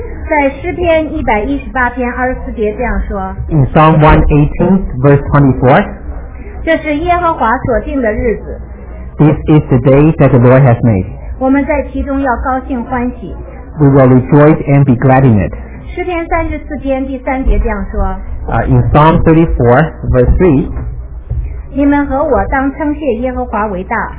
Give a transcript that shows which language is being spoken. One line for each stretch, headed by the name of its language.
Chinese: 在诗篇一百一十八篇二十四节这样说。
English: In Psalm 118, verse 24.
Chinese: 这是耶和华所定的日子。
English: This is the day that the Lord has made.
Chinese: 我们在其中要高兴欢喜。
English: We will rejoice and be glad in it.
Chinese: 诗篇三十四篇第三节这样说。
English: In Psalm 34, verse 3.
Chinese: 你们和我当称谢耶和华为大。